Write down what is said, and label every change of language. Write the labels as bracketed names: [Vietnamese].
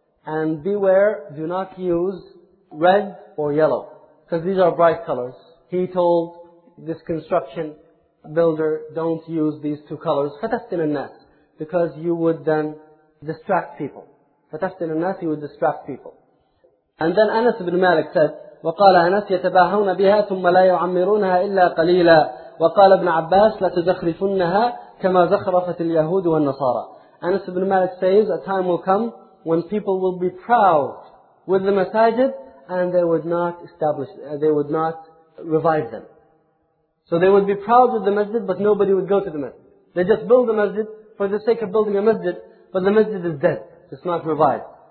[English] And beware, do not use red or yellow. Because these are bright colors. He told this construction builder, don't use these two colors. [Arabic] فَتَفْتِنَ النَّاسِ. [English] Because you would then distract people. [Arabic] فَتَفْتِنَ النَّاسِ, [English] you would distract people. And then Anas ibn Malik said, [Arabic] وَقَالَ أَنَسْ يَتَبَاهَوْنَ بِهَا ثُمَّ لَا يُعَمِّرُونَهَا إِلَّا قَلِيلًا وَقَالَ ابْنَ عَبَّاسَ لَتَزَخْرِفُنَّهَا كَمَا زَخْرَفَتِ الْيَهُودُ وَالنَّصَارَى. [English] Anas ibn Malik says, a time will come when people will be proud with the masajid and they would not establish, they would not revive them. So they would be proud with the masjid, but nobody would go to the masjid. They just build the masjid for the sake of building a masjid, but the masjid is dead. It's not revived.